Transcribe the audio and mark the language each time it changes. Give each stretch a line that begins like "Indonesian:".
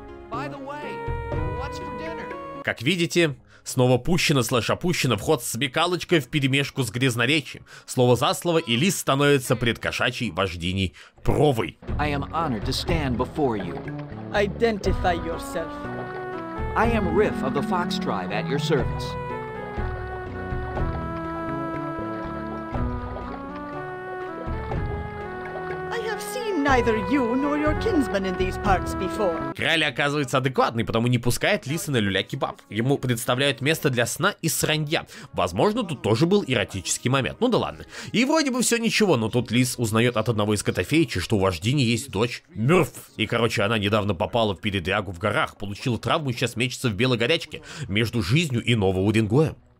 English: By the way, what's for dinner?
Russian: Как видите... Снова пущено, слэш опущено, вход с смекалочкой вперемешку с грязноречием. Слово за слово, и лис становится предкошачьей вождиней Провой.
English: I am honored to stand before you. Identify yourself. I am Riff of the Fox Tribe at your service. Neither you nor your kinsmen in these parts before.
Russian: Крайли оказывается адекватный, потому не пускает лиса на люля-кебаб. Ему представляют место для сна и сранья. Возможно, тут тоже был эротический момент. Ну да ладно. И вроде бы все ничего, но тут лис узнает от одного из котофеичей, что у вождини есть дочь Мёрф. И короче, она недавно попала в передрягу в горах, получила травму и сейчас мечется в белой горячке между жизнью и нового Уренгоя.